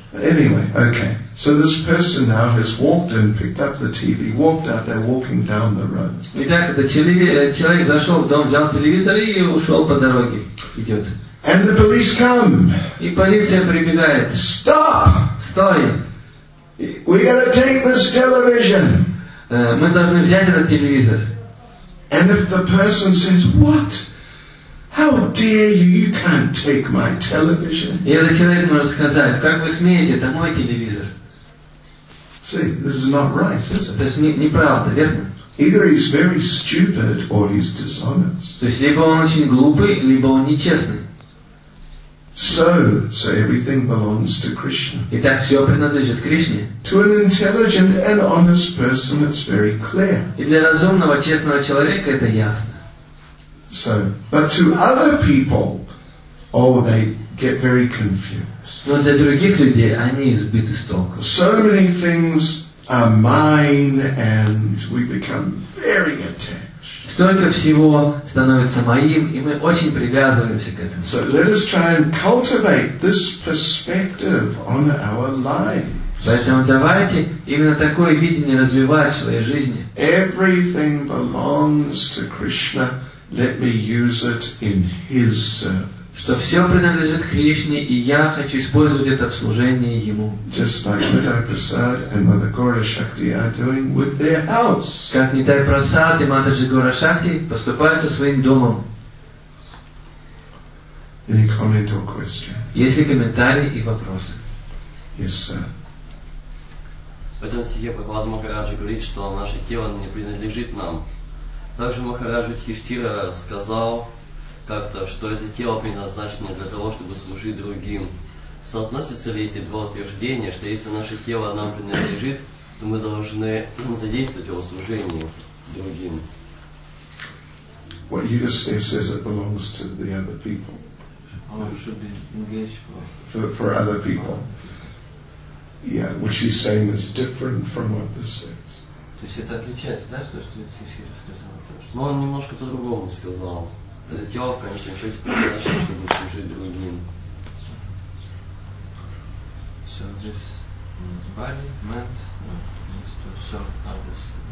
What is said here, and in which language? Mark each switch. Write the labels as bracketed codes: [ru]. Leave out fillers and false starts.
[en] Anyway, okay. So this person now has walked in, picked up the TV, walked out there walking down the road. [ru] Итак, человек зашел в дом, взял телевизор и ушел по дороге. Идет. [en] And the police come. [ru] И полиция прибегает. [en] Stop! [ru] Стой! [en] We gotta take this television. [ru] Мы должны взять этот телевизор. [en] And if the person says, what? How dare you? You can't take my television. [ru] И этот человек может сказать, как вы смеете, это мой телевизор. [en] See, this is not right, is it? [ru] То есть неправда, верно? [en] Either he's very stupid or he's dishonest. [ru] То есть либо он очень глупый, либо он нечестный. [en] So everything belongs to Krishna. [ru] Итак, все принадлежит Кришне. [en] To an intelligent and honest person, it's very clear. [ru] И для разумного, честного человека это ясно. [en] So, but to other people, Oh, they get very confused. [ru] Но для других людей они сбиты с толку. [en] So many things are mine, and we become very attached. [ru] Столько всего становится моим, и мы очень привязываемся к этому. [en] So let us try and cultivate this perspective on our lives. [ru] Поэтому давайте именно такое видение развивать в своей жизни. [en] Everything belongs to Krishna. Let me use it in His service. [ru] Что все принадлежит Кришне, и я хочу использовать это в служении Ему. [en] Just like Nitya Prasad and Mother Gaura Shakti are doing with their house. [ru] Как Нитай Прасад и Матаджи Гора Шакти поступают со своим домом. [en] Any comment or question? [ru] Есть ли комментарии и вопросы? [en] Yes, sir. [ru] Один стихе Прахлад Махараджи говорит, что наше тело не принадлежит нам. Также Махараджи Тхиштира сказал как-то, что это тело предназначено для того, чтобы служить другим. Соотносятся ли эти два утверждения, что если наше тело нам принадлежит, то мы должны задействовать его служение другим? [en] What you just say says it belongs to the other people. Oh, it should be engaged for other people. Yeah, what she's saying is different from what this says. [ru] То есть это отличается, да, что Тхиштира сказал? Но он немножко по-другому сказал. Это тело в конечном счете предназначено, чтобы служить другим. [en] So this body meant to serve others.